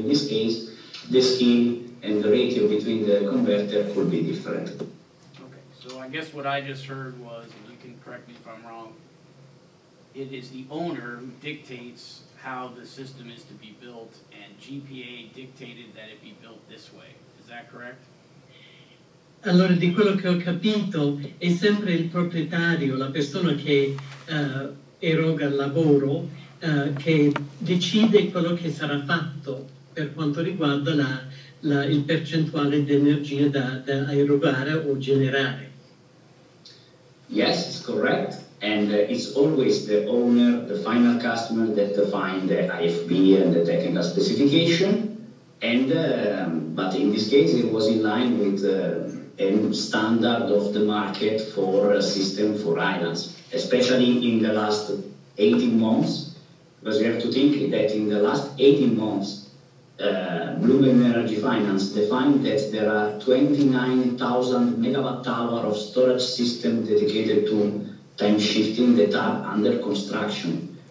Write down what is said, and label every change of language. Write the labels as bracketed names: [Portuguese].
[English] In this case, the scheme and the ratio between the converter could be different. Okay, so I guess what I just heard was, and you can correct me if I'm wrong, it is the owner who dictates how the system is to be built, and GPA dictated that it be built this way. Is that correct? [Italian] Allora, di quello che ho capito, è sempre il proprietario, la persona che eroga il lavoro, che decide quello che sarà fatto per quanto riguarda il percentuale di energia da erogare o generare. [English] Yes, it's correct. And it's always the owner, the final customer, that define the IFB and the technical specification. And but in this case, it was in line with and standard of the market for a system for islands, especially in the last 18 months, because you have to think that in the last 18 months, Bloomberg Energy Finance defined that there are 29,000 megawatt hour of storage system dedicated to time shifting that are under construction.